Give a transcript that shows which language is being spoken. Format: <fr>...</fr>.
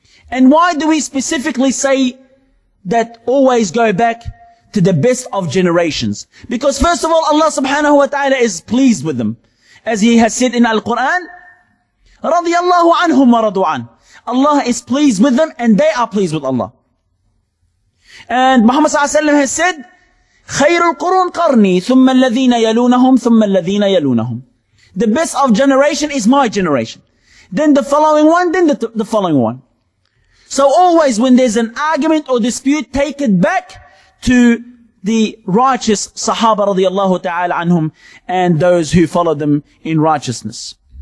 <en>And why do we specifically say that always go back to the best of generations? Because first of all, Allah subhanahu wa ta'ala is pleased with them. As He has said in Al-Quran,</en> <ar>radiyallahu anhum wa radu an.</ar> <en>Allah is pleased with them and they are pleased with Allah. And Muhammad sallallahu alayhi wa sallam has said,</en> <ar>خَيْرُ الْقُرُونَ قَرْنِي ثُمَّ الَّذِينَ يَلُونَهُمْ ثُمَّ الَّذِينَ يَلُونَهُمْ.</ar> <en>The best of generation is my generation. Then the following one, then the following one. So always when there's an argument or dispute, take it back to the righteous sahaba radiallahu ta'ala anhum and those who follow them in righteousness.</en>